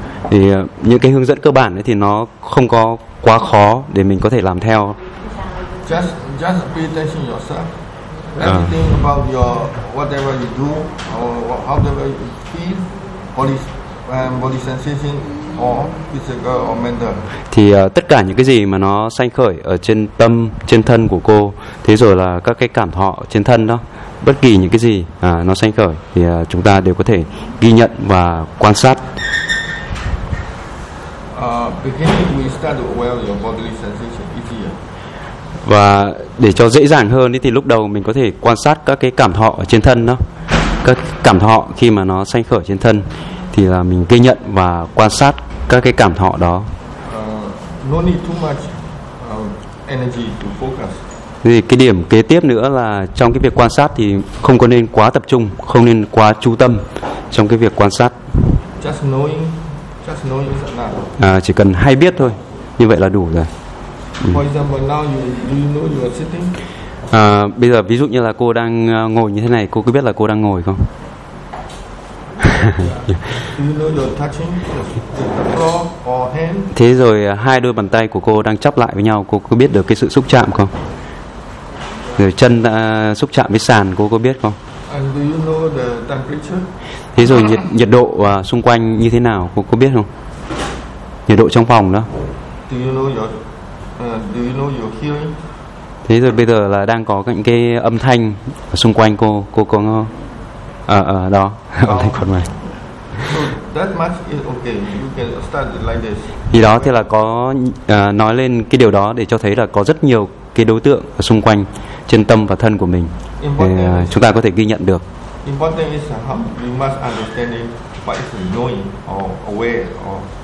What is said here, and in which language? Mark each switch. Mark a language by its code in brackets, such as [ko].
[vi] Thì những cái hướng dẫn cơ bản ấy thì nó không có quá khó để mình có thể làm theo. [en] Just pay attention yourself. Everything about your whatever you do or however you feel, body sensation or physical or mental. [vi] Thì tất cả những cái gì mà nó sanh khởi ở trên tâm, trên thân của cô, thế rồi là các cái cảm thọ trên thân đó, bất kỳ những cái gì nó sanh khởi thì chúng ta đều có thể ghi nhận và quan sát. [en] Beginning we start to aware your body sensation easier. [vi] Và để cho dễ dàng hơn thì lúc đầu mình có thể quan sát các cái cảm thọ ở trên thân đó. Các cảm thọ khi mà nó sanh khởi trên thân thì là mình ghi nhận và quan sát các cái cảm thọ đó. [en] No need too much energy to focus. [vi] Thì cái điểm kế tiếp nữa là trong cái việc quan sát thì không có nên quá tập trung, không nên quá chú tâm trong cái việc quan sát. [en] Just knowing is enough. [vi] Chỉ cần hay biết thôi, như vậy là đủ rồi. [en] For example, now do you know you are sitting? [vi] Bây giờ ví dụ như là cô đang ngồi như thế này, cô có biết là cô đang ngồi không? [en] Do you know you're touching the floor or hand? [vi] Thế rồi hai đôi bàn tay của cô đang chắp lại với nhau, cô có biết được cái sự xúc chạm không? Yeah. Rồi chân xúc chạm với sàn, cô có biết không? [en] And do you know the temperature? [vi] Thế rồi nhiệt độ xung quanh như thế nào, cô có biết không? Nhiệt độ trong phòng đó. [en] Do you know your hearing? [vi] Thế rồi bây giờ là đang có những cái âm thanh xung quanh cô có ở đó âm thanh còn ngoài. [en] That much is okay. You can start like this. [vi] Thì đó thì là có nói lên cái điều đó để cho thấy là có rất nhiều cái đối tượng xung quanh trên tâm và thân của mình thì chúng ta có thể ghi nhận được. [en] Important is how you must understand it, what is knowing or aware or.